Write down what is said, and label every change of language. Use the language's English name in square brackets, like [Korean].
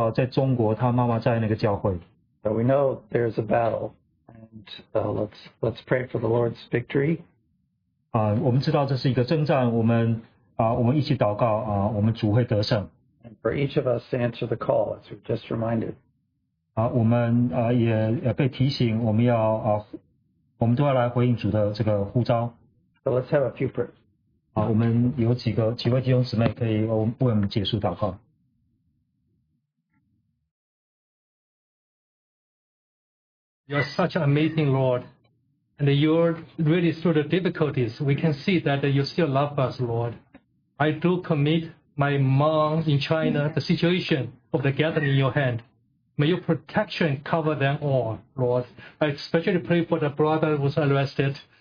[Chinese] 我们特别纪念在这个慧仁弟兄提到，在中国他妈妈在那个教会。 [English] So we know there's a battle, and let's pray for the Lord's victory. [Chinese] 我们知道这是一个征战，我们一起祷告，我们主会得胜。 [English] And for each of us to answer the call, as we just reminded. [Chinese] 我们也被提醒，我们都要来回应主的这个呼召。 [English] So let's have a few prayers. [Chinese] 我们有几位弟兄姊妹可以为我们结束祷告。 [English] You are such an amazing Lord, and you're really through the difficulties. We can see that you still love us, Lord. I do commit my mom in China, the situation of the gathering in your hand. May your protection cover them all, Lord. I especially pray for the brother who was arrested